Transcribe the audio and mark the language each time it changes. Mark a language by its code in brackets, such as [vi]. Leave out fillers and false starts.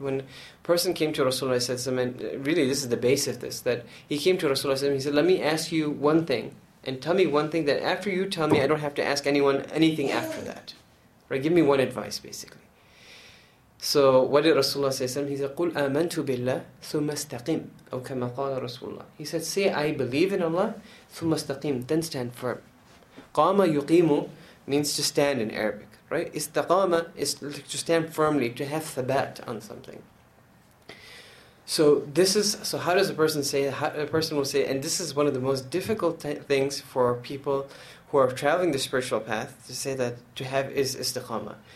[en] When a person came to Rasulullah, and really this is the base of this, that he came to Rasulullah, he said, let me ask you one thing, and tell me one thing that after you tell me, I don't have to ask anyone anything after that, right? Give me one advice, basically. So what did Rasulullah say? He said, [ar] قُلْ آمَنْتُ بِاللَّهِ ثُمَّ اسْتَقِيمْ أَوْ كَمَا قَالَ رَسُولُّهُ. [en] He said, say, I believe in Allah, [ar] ثُمَّ اسْتَقِيمْ, [en] then stand firm. [ar] قَامَ يُقِيمُ [en] means to stand in Arabic, right? [ar] إِسْتَقَامَ [en] is to stand firmly, to have thabat on something. So how does a person say, and this is one of the most difficult things for people who are traveling the spiritual path, to say that to have is istiqama.